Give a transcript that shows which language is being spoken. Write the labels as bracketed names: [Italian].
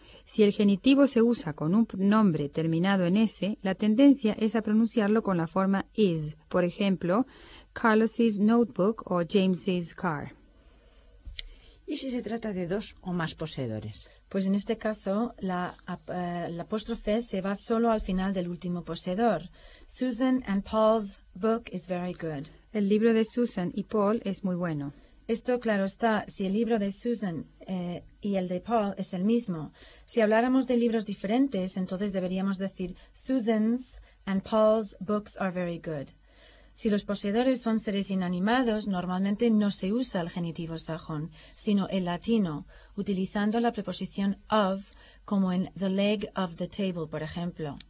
[Spanish] Si el genitivo se usa con un nombre terminado en S, la tendencia es a pronunciarlo con la forma is, por ejemplo, Carlos's notebook o James's car. ¿Y si se trata de dos o más poseedores? Pues en este caso, la apóstrofe se va solo al final del último poseedor. [English] Susan and Paul's book is very good. [Spanish] El libro de Susan y Paul es muy bueno. Esto, claro está, si el libro de Susan y el de Paul es el mismo. Si habláramos de libros diferentes, entonces deberíamos decir [English] Susan's and Paul's books are very good. [Spanish] Si los poseedores son seres inanimados, normalmente no se usa el genitivo sajón, sino el latino, utilizando la preposición of, como en [English] the leg of the table, [Spanish] por ejemplo.